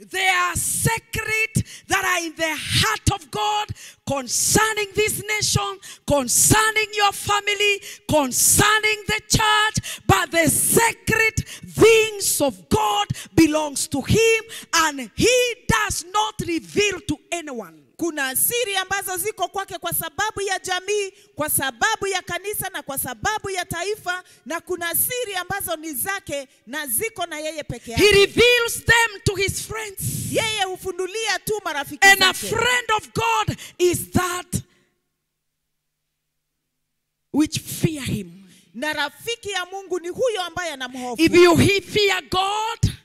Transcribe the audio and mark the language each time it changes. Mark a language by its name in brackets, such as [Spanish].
[English] There are secrets that are in the heart of God concerning this nation, concerning your family, concerning the church, but the secret things of God belongs to him and he does not reveal to anyone. [Swahili] Kuna siri ambazo ziko kwake kwa sababu ya jamii, kwa sababu ya kanisa na kwa sababu ya taifa, na kuna siri ambazo ni zake na ziko na yeye peke yake. [English] He reveals them to his friends. [Swahili] Yeye hufunulia tu marafiki zake. [English] And a friend of God is that which fear him. [Swahili] Na rafiki ya Mungu ni huyo ambaye anamhofu. [English] If you fear God,